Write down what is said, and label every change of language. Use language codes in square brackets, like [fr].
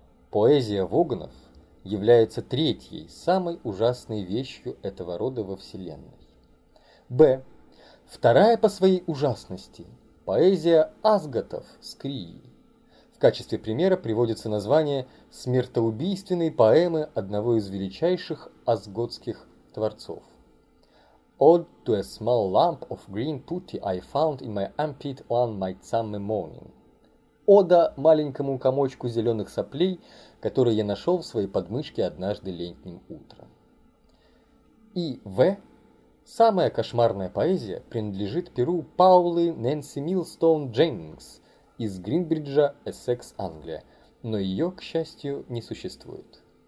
[ru] Поэзия Воганов является третьей, самой ужасной вещью этого рода во Вселенной. Б. Вторая по своей ужасности – поэзия Асгатов с Крии. В качестве примера приводится название смертоубийственной поэмы одного из величайших асгодских творцов. [en] Ode to a small lump of green putty I found in my armpit one night summer morning. [ru] Ода маленькому комочку зеленых соплей, который я нашел в своей подмышке однажды летним утром. И В. Самая кошмарная поэзия принадлежит перу Паулы Нэнси Милстоун Дженнингс из Гринбриджа, Эссекс, Англия, но ее, к счастью, не существует.